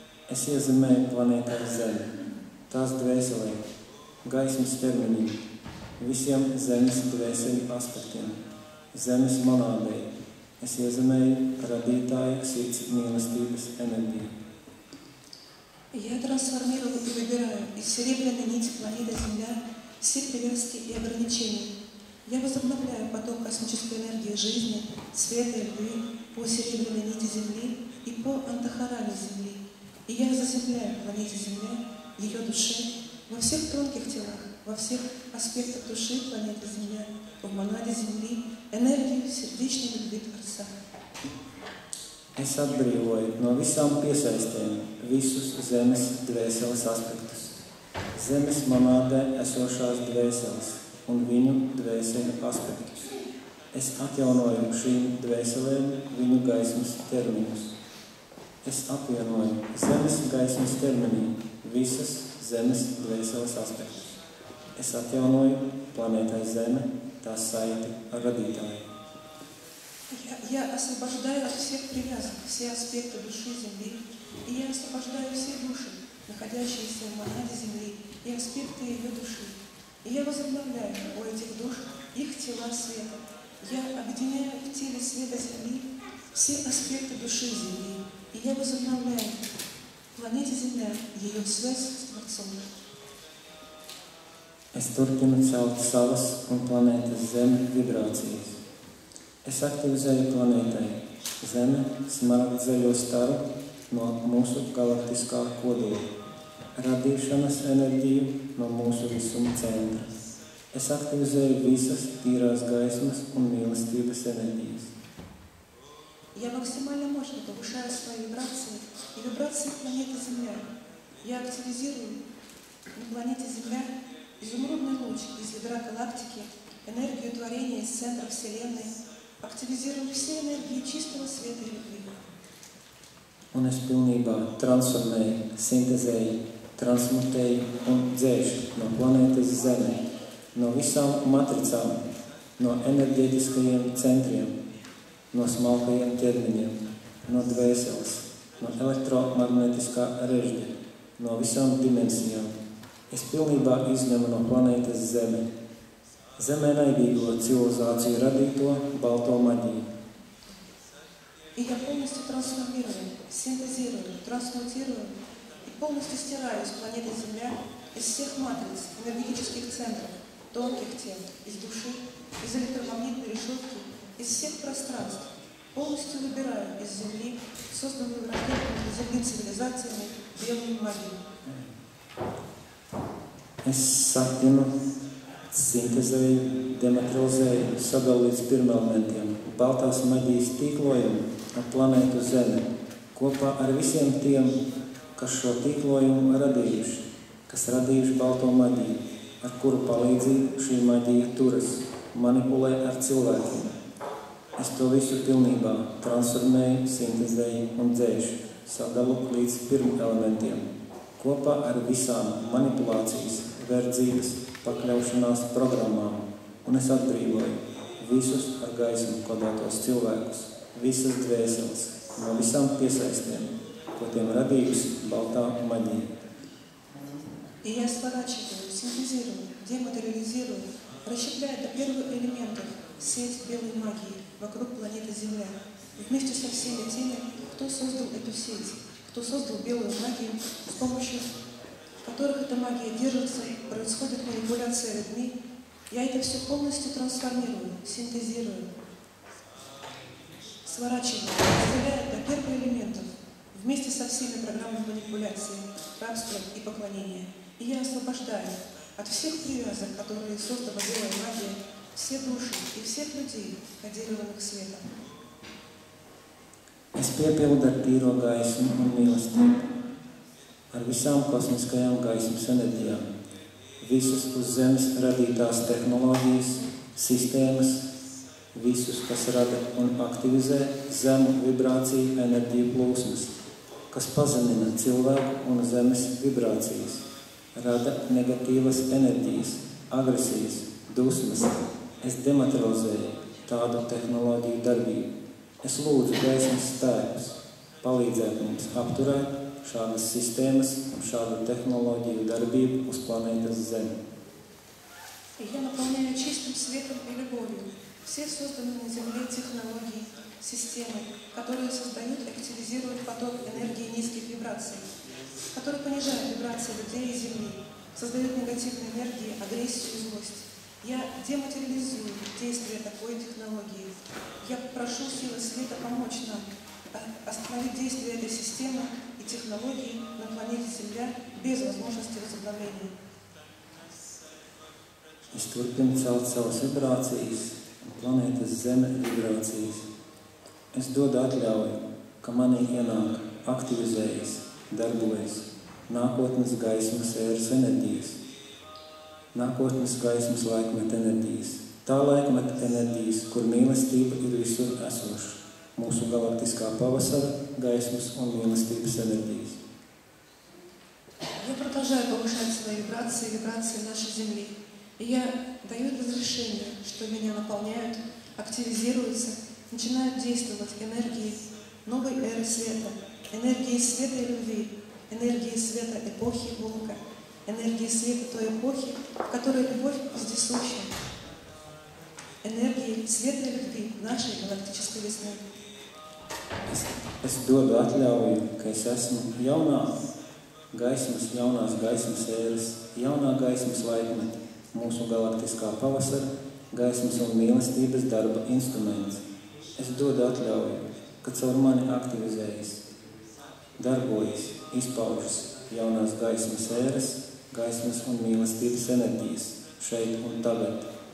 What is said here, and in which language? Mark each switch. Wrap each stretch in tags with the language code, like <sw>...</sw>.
<lv>Es iezemēju planētā Zeme, tās dvēselē, gaismas termiņiem, visiem Zemes dvēseļu aspektiem, Zemes monādei. Es iezemēju radītāju sirds mīlestības enerģiju.</lv> <ru>Я трансформирую и выбираю из серебряной нити планеты Земля все привязки и ограничения. Я возобновляю поток космической энергии жизни, света и любви по серебряной нити Земли и по антахарали Земли. И я заземляю планету Земля, ее души во всех тонких телах, во всех аспектах души планеты Земля, в монаде Земли, энергию сердечной любви Творца.</ru> <lv>Es atbrīvoju no visām piesaistēm visus Zemes dvēseles aspektus. Zemes manādē esošās dvēseles un viņu dvēseļu aspektus. Es atjaunoju šīm dvēselēm viņu gaismas terminus. Es apvienoju Zemes gaismas terminī visas Zemes dvēseles aspektus. Es atjaunoju planētai Zeme tās saiti ar radītāju.</lv> <ru>Я освобождаю от всех привязок, все аспекты души Земли, и я освобождаю все души, находящиеся в монаде Земли, и аспекты ее души. И я возобновляю у этих душ их тела света. Я объединяю в теле света Земли все аспекты души Земли, и я возобновляю планете Земля ее связь с Творцом.</ru> <lv>Es turpinu celt savas un planētas Zeme vibrācijas. Es aktivizēju planētai Zeme smaragd zaļo staru no mūsu galaktiskā kodola, radīšanas enerģiju no mūsu visuma centra. Es aktivizēju visas tīrās gaismas un mīlestības enerģijas.</lv> <ru>Я максимально мощно повышаю свои вибрации и вибрации планеты Земля. Я активизирую на планете Земля изумрудный луч из ядра галактики, энергию творения из центра Вселенной.</ru> <lv>Aktivizēju visu enerģiju</lv> <ru>čistā sveta</ru> <lv>ļaudību. Un es pilnībā transformēju, sintezēju, transmutēju un dzēšu no planētas Zeme, no visām matricām, no enerģētiskajiem centriem, no smalkajiem ķermeņiem, no dvēseles, no elektromagnetiskā režģa, no visām dimensijām. Es pilnībā izņemu no planētas Zeme, Zemē naidīgo civilizāciju radīto balto maģiju.</lv> <ru>И я полностью трансформирую, синтезирую, трансмутирую и полностью стираю с планеты Земля из всех матриц, энергетических центров, тонких тел, из души, из электромагнитной решетки, из всех пространств. Полностью выбираю из Земли, созданную ракетами, земными цивилизациями, белую магию.</ru> <lv>Es saktinu sintezēju, dematerializēju, sagalu līdz pirmelementiem, baltās maģijas tīklojumu ar planētu Zeme, kopā ar visiem tiem, kas šo tīklojumu radījuši, kas radījuši balto maģiju, ar kuru palīdzību šī maģija turas, manipulē ar cilvēkiem. Es to visu pilnībā transformēju, sintezēju un dzēšu, sagalu līdz pirmelementiem, kopā ar visām manipulācijas, verdzības, pakļaušanās programmām, un es atbrīvoju visus ar gaismu kodētos cilvēkus, visas dvēseles, no visām piesaistēm, ko tiem radījusi baltā maģija.</lv> <ru>И я сворачиваю, синтезирую, дематериализирую, расщепляю до первых элементов сеть белой магии вокруг планеты Земля. Вместе со всеми теми, кто создал эту сеть, кто создал белую магию, с помощью которых эта магия держится, происходит манипуляция людьми, я это все полностью трансформирую, синтезирую, сворачиваю, расщепляю до первых элементов вместе со всеми программами манипуляции, рабства и поклонения. И я освобождаю от всех привязок, которые создала белая магия, все души и всех людей, одерживаемых светом.</ru> <lv>Es piepildu ar tīro gaismu un mīlestību, ar visām kosmiskajām gaismas enerģijām, visus uz Zemes radītās tehnoloģijas, sistēmas, visus, kas rada un aktivizē Zemu vibrāciju enerģiju plūsmas, kas pazemina cilvēku un Zemes vibrācijas. Rada negatīvas enerģijas, agresijas, dusmas. Es dematerializēju tādu tehnoloģiju darbību. Es lūdzu gaismas spēkus palīdzēt mums apturēt šādas sistēmas un šādu tehnoloģiju darbību uz planētas Zemi.</lv> <ru>Я наполняю чистым светом и любовью все созданные на Земле технологии, системы, которые создают и активизируют поток энергии низких вибраций. Который понижает вибрации людей и Земли, создает негативные энергии, агрессию и злость. Я дематериализую действия такой технологии. Я прошу силы света помочь нам остановить действия этой системы и технологии на планете Земля без возможности возобновления.</ru> <lv>Es turpinu celt savas vibrācijas un planētas Zeme vibrācijas. Es dodu atļauju, ka manī ienāk aktivizējas. Darbojas nākotnes gaismas ēras enerģijas, nākotnes gaismas laikmeta enerģijas, tā laikmeta enerģijas, kur mīlestība ir visur esoša, mūsu galaktiskā pavasara, gaismas un mīlestības enerģijas.</lv> <ru>Я продолжаю повышать свои вибрации и вибрации нашей Земли. И я даю разрешение, что меня наполняют, активизируются, начинают действовать энергии новой эры света. Энергии света и любви, энергии света эпохи Бога, энергии света той эпохи, в которой любовь вездесущая. Энергии света и любви нашей галактической весны.</ru> <lv>Es dodu atļauju, ka es esmu jaunā gaismas, jaunās gaismas ēras, jaunā gaismas laikmeta, mūsu galaktiskā pavasara, gaismas un mīlestības darba instruments. Es dodu atļauju, ka caur mani aktivizējas. Darbojas, izpaužas jaunās gaismas ēras, gaismas un mīlestības enerģijas šeit un tagad.</lv>